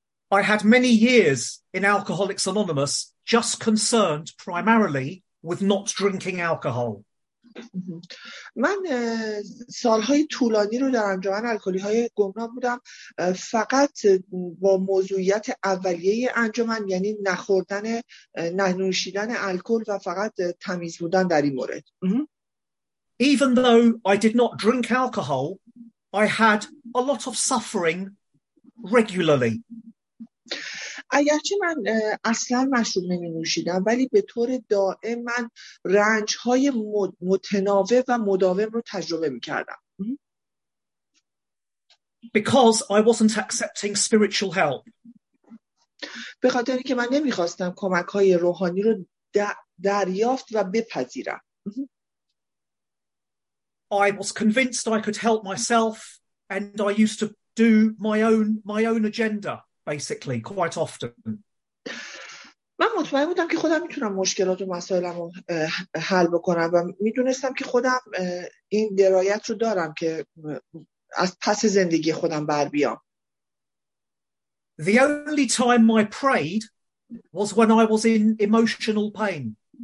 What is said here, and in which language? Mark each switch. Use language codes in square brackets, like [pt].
[en] I had many years in Alcoholics Anonymous just concerned primarily with not drinking alcohol. [fa] من سالهای طولانی رو در انجمن الکلی های گمنام بودم فقط با موضوعیت اولیه انجمن، یعنی نخوردن ننوشیدن الکل و فقط تمیز بودن در این مورد. [en] Even though I did not drink alcohol, I had a lot of suffering regularly. [fa] اگرچه من اصلا مشروب نمی نوشیدم ولی به طور دائم من رنج های متناوب و مداوم رو تجربه می کردم. [en] Because I wasn't accepting spiritual help. [fa] به خاطر اینکه من نمی خواستم کمک های روحانی رو دریافت و بپذیرم. [en] I was convinced I could help myself and I used to do my own agenda. Basically, quite often. [fa] من مطمئن بودم که خودم میتونم مشکلات و مسائلمو حل بکنم و میدونستم که خودم این درایت رو دارم که از پس زندگی خودم بر بیام. [en] The only time I prayed was when I was in emotional pain.